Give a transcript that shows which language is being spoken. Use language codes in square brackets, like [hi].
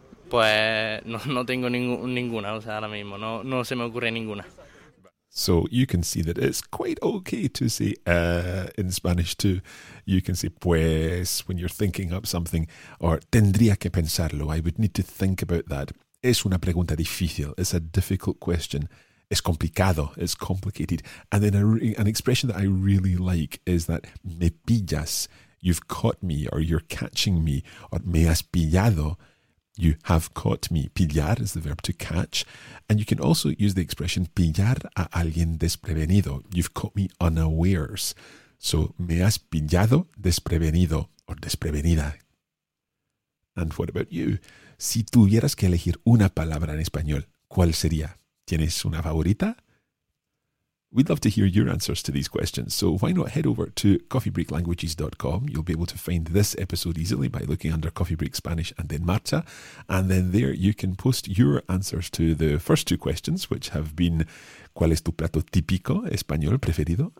[es] Pues no tengo ninguna, o sea, ahora mismo, no se me ocurre ninguna. [en] So you can see that it's quite okay to say in Spanish too. You can say [es] pues [en] when you're thinking up something, or [es] tendría que pensarlo, [en] I would need to think about that. [es] Es una pregunta difícil, [en] it's a difficult question. [es] Es complicado, [en] it's complicated. And then an expression that I really like is that [es] me pillas, [en] you've caught me, or you're catching me, or [es] me has pillado, [en] you have caught me. Pillar is the verb to catch. And you can also use the expression [es] pillar a alguien desprevenido, [en] you've caught me unawares. So [es] me has pillado desprevenido, or desprevenida. [en] And what about you? [es] Si tuvieras que elegir una palabra en español, ¿cuál sería? ¿Tienes una favorita? [en] We'd love to hear your answers to these questions, so why not head over to coffeebreaklanguages.com. You'll be able to find this episode easily by looking under Coffee Break Spanish and then Marcha. And then there you can post your answers to the first two questions, which have been [es] ¿cuál es tu plato típico español preferido?